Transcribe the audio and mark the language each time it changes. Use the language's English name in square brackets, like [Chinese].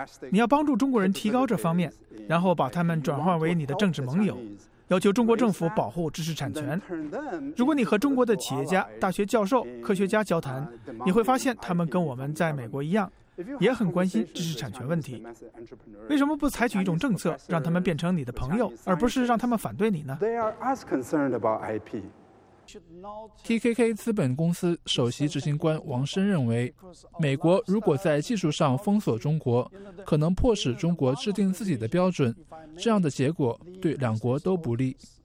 [Chinese] 你要帮助中国人提高这方面，然后把他们转化为你的政治盟友，要求中国政府保护知识产权。如果你和中国的企业家、大学教授、科学家交谈，你会发现他们跟我们在美国一样，也很关心知识产权问题。为什么不采取一种政策让他们变成你的朋友，而不是让他们反对你呢？ [English] They are as concerned about IP. [Chinese] TKK 资本公司首席执行官王申认为，美国如果在技术上封锁中国，可能迫使中国制定自己的标准，这样的结果对两国都不利。